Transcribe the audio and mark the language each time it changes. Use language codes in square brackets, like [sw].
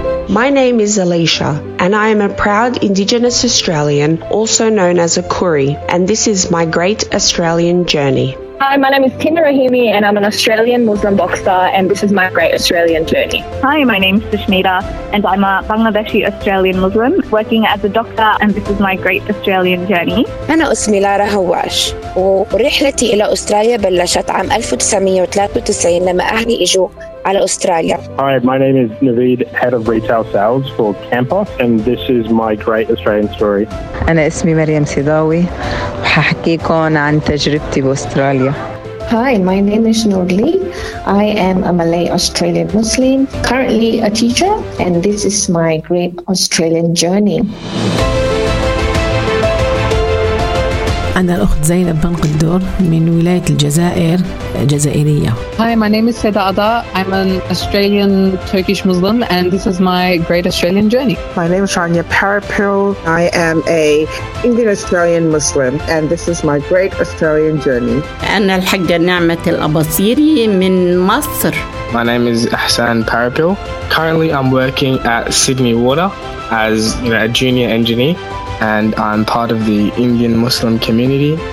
[en] My name is Alicia, and I am a proud Indigenous Australian, also known as a Koori, and this is my great Australian journey. Hi, my name is Tina Rahimi, and I'm an Australian Muslim boxer, and this is my great Australian journey. Hi, my name is Sushmita, and I'm a Bangladeshi Australian Muslim working as a doctor, and this is my great Australian journey. [ar] أنا اسمي لارا هواش ورحلتي إلى أستراليا بلشت عام 1993 لما أهلي إجوا على أستراليا. [en] Hi, my name is Naveed, head of retail sales for Campos, and this is my great Australian story. [ar] أنا اسمي مريم سيداوي وححكيكم عن تجربتي بأستراليا. [en] Hi, my name is Nurli. I am a Malay Australian Muslim, currently a teacher, and this is my great Australian journey. [ar] أنا الأخت زينب بن قدور من ولاية الجزائر جزائرية. [en] Hi, my name is Seda Ada. I'm an Australian Turkish Muslim and this is my great Australian journey. My name is Shania Parapil. I am a Indian Australian Muslim and this is my great Australian journey. [ar] أنا الحجة نعمة الأباصيري من مصر. [en] My name is Ahsan Parapil. Currently I'm working at Sydney Water as a junior engineer. And I'm part of the Indian Muslim community.